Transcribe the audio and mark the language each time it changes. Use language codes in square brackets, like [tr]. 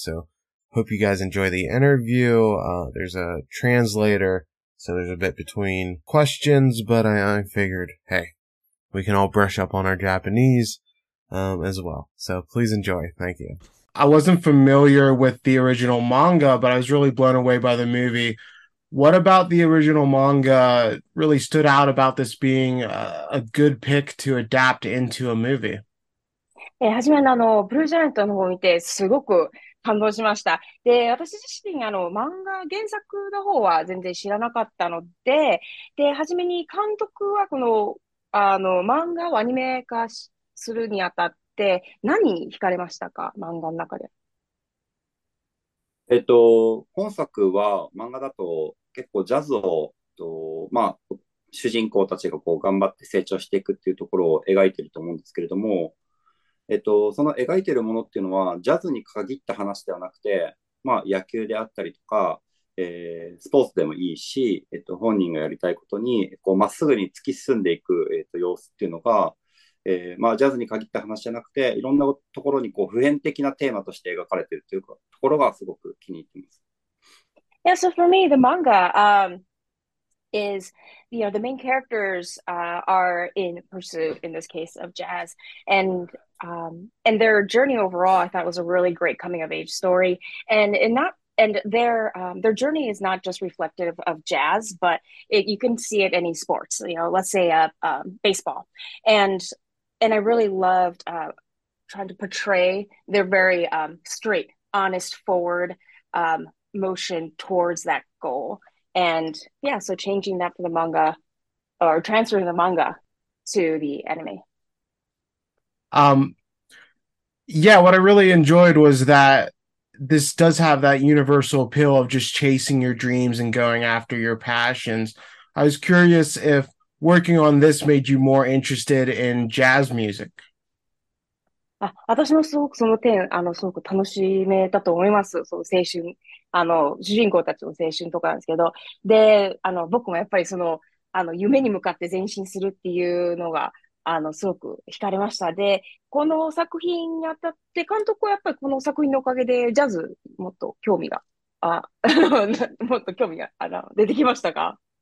[en] So hope you guys enjoy the interview. There's a translator, so there's a bit between questions, but I figured, hey, we can all brush up on our Japanese as well. So please enjoy. Thank you. I wasn't familiar with the original manga, but I was really blown away by the movie. What about the original manga really stood out about this being a good pick to adapt into a movie? [ja] はじめにブルージャイアントの方を見てすごく感動しました。で、私自身漫画原作の方は全然知らなかったので、で、はじめに監督はこの漫画をアニメ化するにあたって何に惹かれましたか、漫画の中で。本作は漫画だと結構ジャズを、まあ、主人公たちがこう頑張って成長していくっていうところを描いてると思うんですけれども、その描いてるものっていうのはジャズに限った話ではなくて、まあ、野球であったりとか、スポーツでもいいし、本人がやりたいことにこうまっすぐに突き進んでいく、様子っていうのが、まあ、ジャズに限った話じゃなくていろんなところにこう普遍的なテーマとして描かれているというかところがすごく気に入っています。 [en] Yeah, so for me, the manga is, you know, the main characters are in pursuit, in this case, of jazz. And their journey overall, I thought was a really great coming of age story. And their journey is not just reflective of jazz, but you can see it in any sports, you know, let's say baseball. And I really loved trying to portray their very straight, honest, forward motion towards that goal. And yeah, so changing that from the manga or transferring the manga to the anime. Yeah, what I really enjoyed was that this does have that universal appeal of just chasing your dreams and going after your passions. I was curious if working on this made you more interested in jazz music? [ja] 私もすごくその点、すごく楽しめたと思います。その青春、主人公たちの青春とかなんですけど。で、僕もやっぱりその、夢に向かって前進するっていうのが、すごく惹かれました。で、この作品にあたって、監督はやっぱりこの作品のおかげでジャズもっと興味が、もっと興味が、出てきましたか？